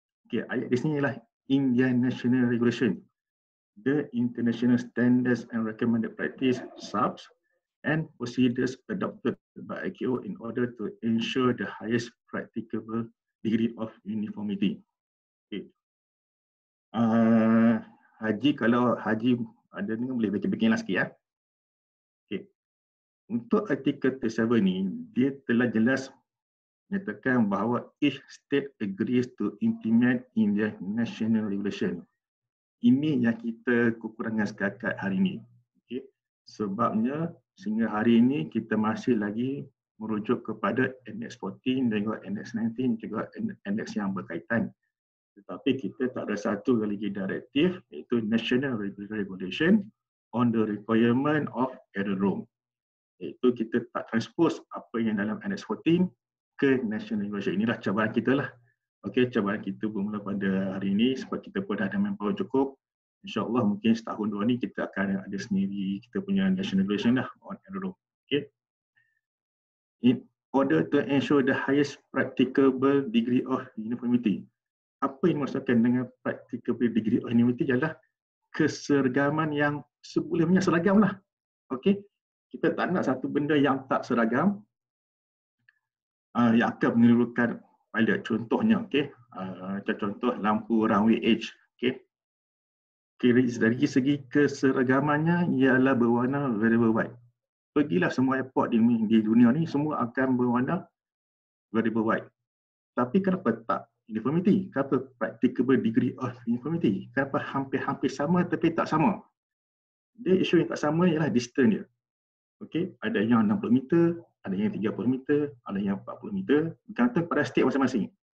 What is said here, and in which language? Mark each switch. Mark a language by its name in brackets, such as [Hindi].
[English] Okay, [Malay] ayat di sini ialah [English] Indian national regulation, the international standards and recommended practice SAPS and procedures adopted by ICAO in order to ensure the highest practicable degree of uniformity. Okay. [Malay] Haji, kalau Haji ada dengar boleh baca-baca lah sikit ya. Untuk Article 37 ni, dia telah jelas menyatakan bahawa [English] each state agrees to implement in their national regulation. [Malay] Ini yang kita kekurangan sekakat hari ini. Okay. Sebabnya sehingga hari ini kita masih lagi merujuk kepada Annex 14 dan juga Annex 19 juga Annex yang berkaitan. Tetapi kita tak ada satu lagi direktif iaitu National Regulation on the Requirement of Aerodrome. Iaitu kita tak transpose apa yang dalam Annex 14 ke National Regulation. Inilah cabaran kita lah. Okey, cabaran kita bermula pada hari ini sebab kita pun dah ada manpower cukup. InsyaAllah mungkin setahun dua ni kita akan ada sendiri kita punya National Regulation lah [English] on aerodrome. [Malay] Okey. [English] In order to ensure the highest practicable degree of uniformity. [Malay] Apa yang dimaksudkan dengan [English] practicable degree of uniformity [Malay] ialah keseragaman yang sebolehnya seragam lah. Okey. Kita tak nak satu benda yang tak seragam yang akan menyebabkan pilot. Contohnya, okey. Contoh lampu runway edge. Okey. Okay, dari segi keseragamannya ialah berwarna [English] very white. [Malay] Pergilah semua airport di dunia ni semua akan berwarna [English] variable white. [Malay] Tapi kenapa tak uniformity? Kenapa [English] practicable degree of uniformity? [Malay] Kenapa hampir-hampir sama tapi tak sama? Dia isu yang tak sama ialah distance dia. Okey, ada yang 60 meter, ada yang 30 meter, ada yang 40 meter, bergantung pada state masing-masing.